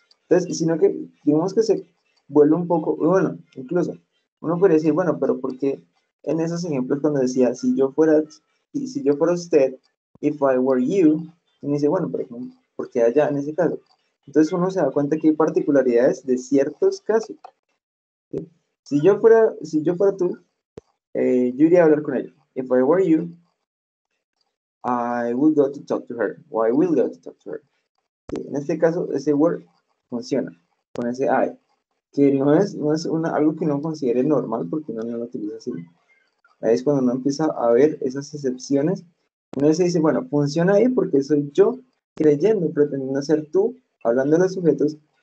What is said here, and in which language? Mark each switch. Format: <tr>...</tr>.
<es>Entonces, sino que digamos que se vuelve un poco, bueno, incluso uno podría decir, bueno, pero ¿por qué en esos ejemplos cuando decía, si yo fuera usted,</es> <en>if I were you,</en> <es>y me dice, bueno, pero ¿por qué allá en ese caso? Entonces uno se da cuenta que hay particularidades de ciertos casos. ¿Sí? Si yo fuera tú, yo iría a hablar con ella.</es> <en>If I were you, I would go to talk to her. Or I will go to talk to her.</en> <es>Sí, en este caso, ese word funciona con ese I. Que no es algo que no considere normal porque uno no lo utiliza así. Ahí es cuando uno empieza a ver esas excepciones. Uno se dice, bueno, funciona ahí porque soy yo creyendo, pretendiendo ser tú, hablando de los sujetos.</es>